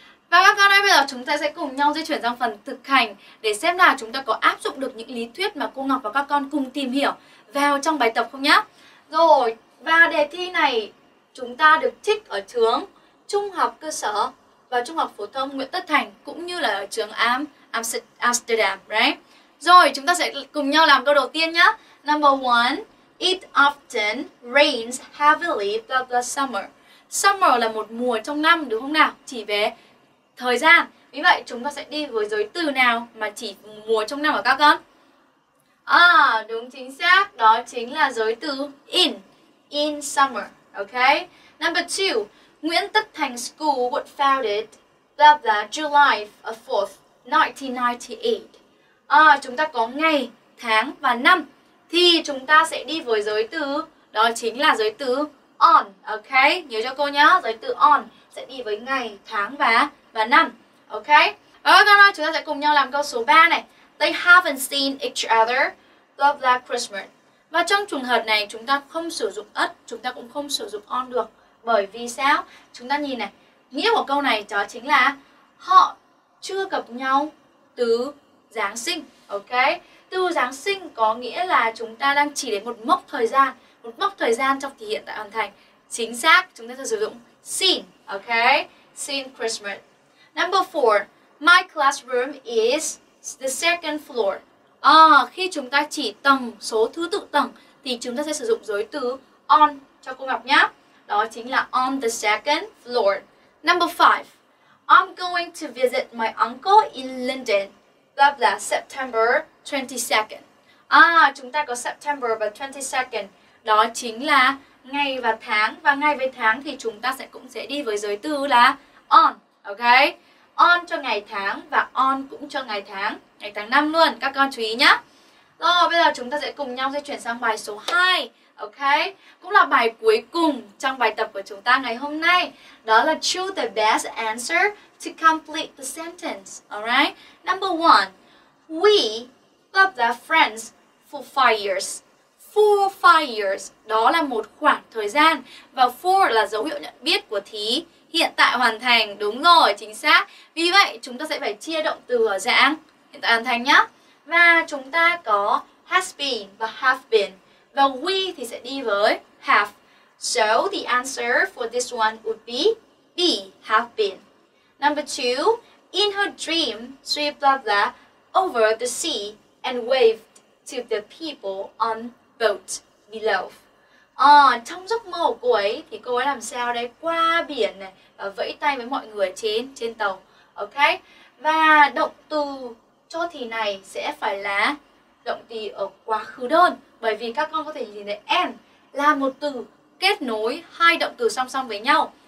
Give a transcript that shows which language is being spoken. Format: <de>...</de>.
<vi>Và các con ơi, bây giờ chúng ta sẽ cùng nhau di chuyển sang phần thực hành để xem là chúng ta có áp dụng được những lý thuyết mà cô Ngọc và các con cùng tìm hiểu vào trong bài tập không nhá. Rồi, và đề thi này chúng ta được trích ở trường trung học cơ sở và trung học phổ thông Nguyễn Tất Thành cũng như là ở trường Amsterdam, right? Rồi, chúng ta sẽ cùng nhau làm câu đầu tiên nhé.</vi> <en>Number 1, it often rains heavily throughout the summer.</en> <vi>Summer là một mùa trong năm, đúng không nào? Chỉ về thời gian. Vì vậy, chúng ta sẽ đi với giới từ nào mà chỉ mùa trong năm ở các con? Đúng chính xác. Đó chính là giới từ</vi> <en>in summer, okay? Number 2, Nguyễn Tất Thành School was founded blah blah July 4th, 1998.</en> <vi>Chúng ta có ngày, tháng và năm. Thì chúng ta sẽ đi với giới từ, đó chính là giới từ on, ok? Nhớ cho cô nhá, giới từ on sẽ đi với ngày, tháng và năm, ok? Ok, chúng ta sẽ cùng nhau làm câu số 3 này.</vi> <en>They haven't seen each other blah blah Christmas.</en> <vi>Và trong trường hợp này, chúng ta không sử dụng at, chúng ta cũng không sử dụng on được. Bởi vì sao? Chúng ta nhìn này, nghĩa của câu này đó chính là họ chưa gặp nhau từ Giáng sinh, ok? Từ Giáng sinh có nghĩa là chúng ta đang chỉ đến một mốc thời gian trong thì hiện tại hoàn thành, Chính xác, chúng ta sẽ sử dụng seen, okay?</vi> <en>Seen Christmas. Number 4, my classroom is the second floor.</en> <vi>À, khi chúng ta chỉ tầng, số thứ tự tầng thì chúng ta sẽ sử dụng giới từ on cho cô Ngọc nhé. Đó chính là</vi> <en>on the second floor. Number 5, I'm going to visit my uncle in London. Blah blah, September 22nd.</en> <vi>À, chúng ta có September và 22nd. Đó chính là ngày và tháng. Và ngày với tháng thì chúng ta sẽ cũng sẽ đi với giới từ là on. Ok? On cho ngày tháng và on cũng cho ngày tháng. Ngày tháng năm luôn, các con chú ý nhé. Rồi, bây giờ chúng ta sẽ cùng nhau sẽ chuyển sang bài số 2. Ok? Cũng là bài cuối cùng trong bài tập của chúng ta ngày hôm nay. Đó là</vi> <en>choose the best answer to complete the sentence. Alright? Number 1. We love the friends for 5 years.</en> <vi>For 5 years, đó là một khoảng thời gian. Và for là dấu hiệu nhận biết của thì hiện tại hoàn thành. Đúng rồi, chính xác. Vì vậy, chúng ta sẽ phải chia động từ ở dạng hiện tại hoàn thành nhé. Và chúng ta có has been và have been. Và we thì sẽ đi với have.</vi> <en>So the answer for this one would be have been. Number 2, in her dream, she blah blah over the sea and waved to the people on boat below.</en> <vi>À, trong giấc mơ của cô ấy thì cô ấy làm sao đây? Qua biển này và vẫy tay với mọi người trên tàu. Ok? Và động từ cho thì này sẽ phải là động từ ở quá khứ đơn. Bởi vì các con có thể nhìn thấy and là một từ kết nối hai động từ song song với nhau.</vi>